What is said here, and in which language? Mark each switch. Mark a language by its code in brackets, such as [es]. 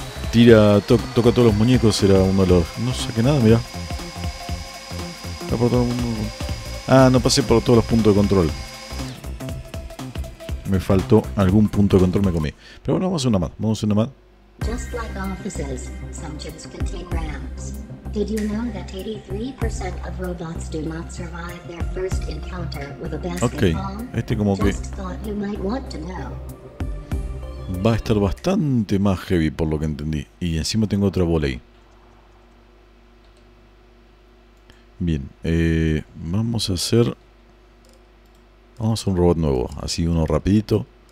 [es] Tira, toca todos los muñecos, era uno de los... No saqué nada, mirá. Está por todo el mundo. Ah, no pasé por todos los puntos de control. Me faltó algún punto de control, me comí. Pero bueno, vamos a hacer una más. Vamos a hacer una más. [en] Just like offices, some chips can take ramps. Did you know that 83% of robots do not survive their first encounter with a basketball? Okay. [es] Este como que... [en] Just thought you might want to know. [es] Va a estar bastante más heavy, por lo que entendí. Y encima tengo otra bola ahí. Bien, vamos a hacer... Vamos a hacer un robot nuevo. Así, uno rapidito.